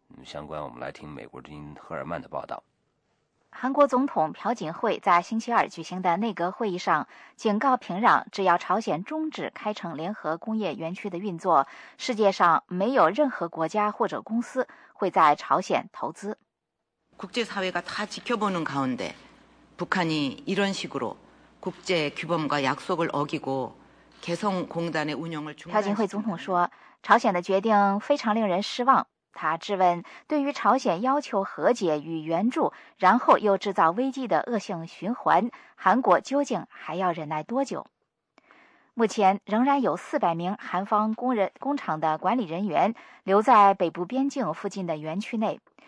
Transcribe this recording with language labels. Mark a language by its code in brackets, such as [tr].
[zh] 相关我们来听美国之音赫尔曼的报道。韩国总统朴槿惠在星期二举行的内阁会议上警告平壤，只要朝鲜终止开城联合工业园区的运作，世界上没有任何国家或者公司会在朝鲜投资。 [ko] 국제사회가다지켜보는가운데북한이이런식으로국제규범과약속을어기고개성공단의운영을중단 [zh] 朴槿惠总统说，朝鲜的决定非常令人失望。他质问对于朝鲜要求和解与援助然后又制造危机的恶性循环，韩国究竟还要忍耐多久？目前仍然有400名韩方工厂的管理人员留在北部边境附近的园区内。